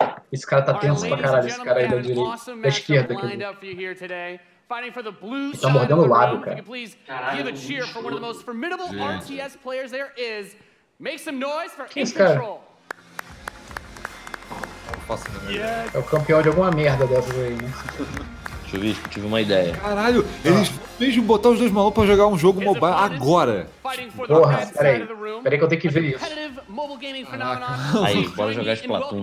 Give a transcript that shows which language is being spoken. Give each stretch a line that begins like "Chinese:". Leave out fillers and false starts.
Portuguese: Esse cara tá tenso pra caralho, esse cara aí da esquerda.
English: Fighting for the blue side of the round, if you could please give a cheer for one of the most formidable RTS players there is. Make some noise for In Control.
Portuguese: Posso É o campeão de alguma merda dessas aí, né? Chuvisco, tive uma ideia. Caralho, eles mesmo botar os dois malucos pra jogar um jogo mobile agora. Porra, peraí. Peraí que eu tenho que ver isso. Aí, bora jogar Splatoon.